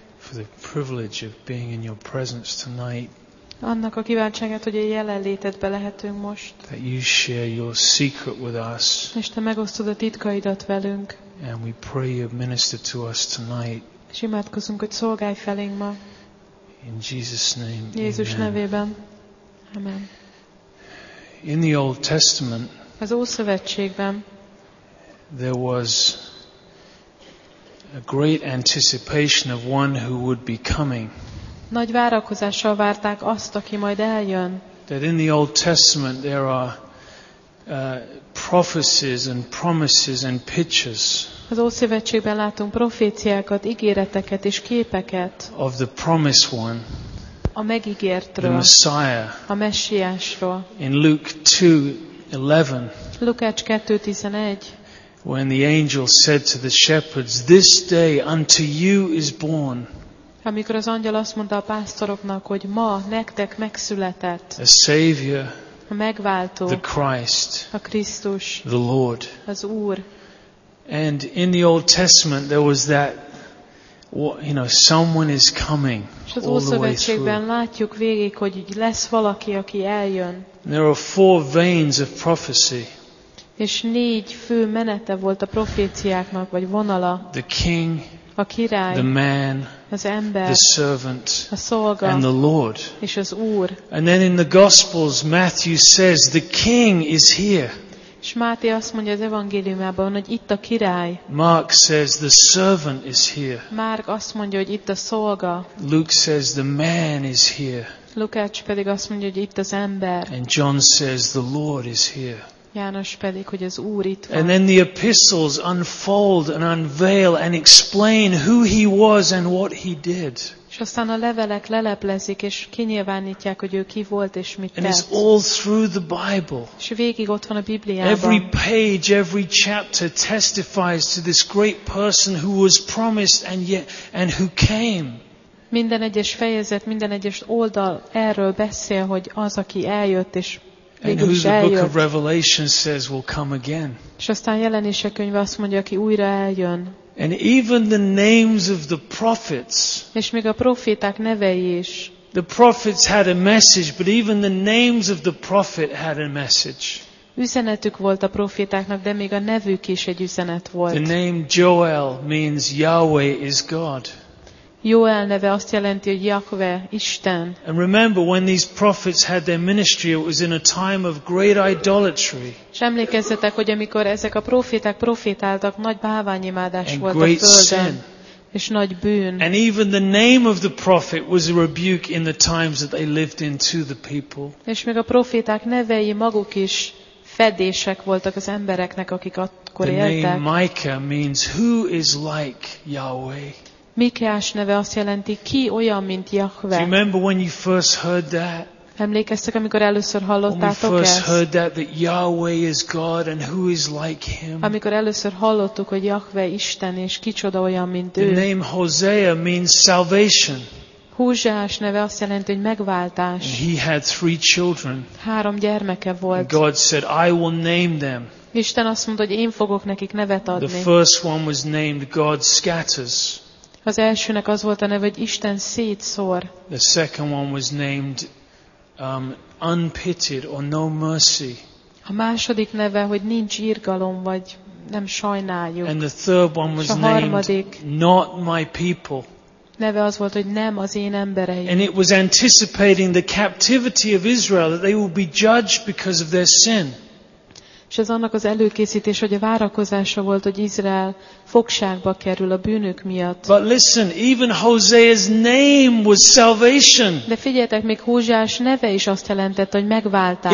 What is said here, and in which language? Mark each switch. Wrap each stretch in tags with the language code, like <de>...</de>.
<en>For the privilege of being in your presence tonight.</en> <hu>Annak a kíváncsiságát, hogy a jelenlétedben lehetünk most.</hu> <en>That you share your secret with us.</en> <hu>És te megosztod a titkaidat velünk.</hu> <en>And we pray you minister to us tonight.</en> <hu>És imádkozunk, hogy szolgálj felénk ma.</hu> <en>In Jesus name.</en> <hu>Jézus</hu> <en>amen.</en> <hu>Nevében. Amen.</hu> <en>In the Old Testament.</en> <hu>Az Ószövetségben.</hu> <en>There was a great anticipation of one who would be coming.</en> <hu>Nagy várakozással várták azt, aki majd eljön.</hu> <en>That in the Old Testament there are prophecies and promises and pictures.</en> <hu>Az Ószövetségben látunk proféciákat, ígéreteket és képeket.</hu> <en>Of the promised one.</en> <hu>A megígértről.</hu> <en>The Messiah.</en> <hu>A Messiásról.</hu> <en>In Luke 2:11.</en> <hu>Lukács 2:11.</hu> <en>When the angel said to the shepherds, "This day unto you is born."</en> <hu>Amikor az angyal azt mondta a pásztoroknak, hogy ma nektek megszületett</hu> <en>a Savior,</en> <hu>a megváltó,</hu> <en>the Christ,</en> <hu>a Krisztus,</hu> <en>the Lord,</en> <hu>az Úr.</hu> <en>And in the Old Testament there was that, you know, someone is coming all the way through.</en> <hu>És az Ószövetségben látjuk végig, hogy lesz valaki, aki eljön.</hu> <en>There are four veins of prophecy.</en> <hu>És négy fő menete volt a proféciáknak, vagy vonala.</hu> <en>The King,</en> <hu>a király,</hu> <en>the man,</en> <hu>az ember,</hu> <en>the servant,</en> <hu>a szolga,</hu> <en>and the Lord.</en> <hu>És az Úr.</hu> <en>And then in the Gospels, Matthew says, the King is here.</en> <hu>És Máté azt mondja az evangéliumában, hogy itt a király.</hu> <en>Mark says, the servant is here.</en> <hu>Márk azt mondja, hogy itt a szolga.</hu> <en>Luke says, the man is here.</en> <hu>Lukács pedig azt mondja, hogy itt az ember.</hu> <en>And John says, the Lord is here.</en> <hu>János pedig, hogy az Úr itt van.</hu> <en>And then the epistles unfold and unveil and explain who he was and what he did.</en> <hu>És aztán a levelek leleplezik és kinyilvánítják, hogy ő ki volt és mit tett.</hu> <en>And it's all through the Bible.</en> <hu>És végig ott van a Bibliában.</hu> <en>Every page, every chapter testifies to this great person who was promised and yet and who came.</en> <hu>Minden egyes fejezet, minden egyes oldal erről beszél, hogy az, aki eljött és</hu> <en>And who the book of Revelation says will come again.</en> <hu>És aztán Jelenések könyve azt mondja, aki újra eljön.</hu> <en>And even the names of the prophets.</en> <hu>És még a proféták nevei is.</hu> <en>The prophets had a message, but even the names of the prophet had a message.</en> <hu>Üzenetük volt a profétáknak, de még a nevük is egy üzenet volt.</hu> <en>The name Joel means Yahweh is God.</en> <hu>Joel neve azt jelenti, hogy Jahve, Isten.</hu> <en>And remember when these prophets had their ministry, it was in a time of great idolatry.</en> <hu>És emlékezzetek, hogy amikor ezek a proféták profétáltak, nagy báványimádás volt</hu> <en>great</en> <hu>a földön.</hu> <en>Sin.</en> <hu>És nagy bűn.</hu> <en>And even the name of the prophet was a rebuke in the times that they lived in to the people.</en> <hu>És még a proféták nevei maguk is fedések voltak az embereknek, akik akkor</hu> <en>the</en> <hu>éltek.</hu> <en>The name Micah means who is like Yahweh.</en> <hu>Mikeás neve azt jelenti, ki olyan, mint Jahve.</hu> <en>Do you remember when you first heard that?</en> <hu>Emlékeztek, amikor először hallottátok ezt?</hu> <en>When we first heard that Yahweh is God and who is like him?</en> <hu>Amikor először hallottuk, hogy Jahve Isten és kicsoda olyan, mint ő.</hu> <en>The name Hosea means salvation.</en> <hu>Húzsás neve azt jelenti, hogy megváltás.</hu> <en>And he had three children.</en> <hu>Három gyermeke volt.</hu> <en>And God said, I will name them.</en> <hu>Isten azt mondta, hogy én fogok nekik nevet adni.</hu> <en>The first one was named God Scatters.</en> <hu>Az elsőnek az volt a neve, hogy Isten szétszór.</hu> <en>The second one was named unpitied or no mercy.</en> <hu>A második neve, hogy nincs irgalom, vagy nem sajnáljuk.</hu> <en>And the third one was named not my people.</en> <hu>Neve az volt, hogy nem az én embereim.</hu> <en>And it was anticipating the captivity of Israel that they will be judged because of their sin.</en> <hu>És ez annak az előkészítés, hogy a várakozása volt, hogy Izrael fogságba kerül a bűnök miatt.</hu> <en>But listen, even Hosea's name was salvation.</en> <hu>De figyeljetek, még Hózsás neve is azt jelentett, hogy megváltás.</hu>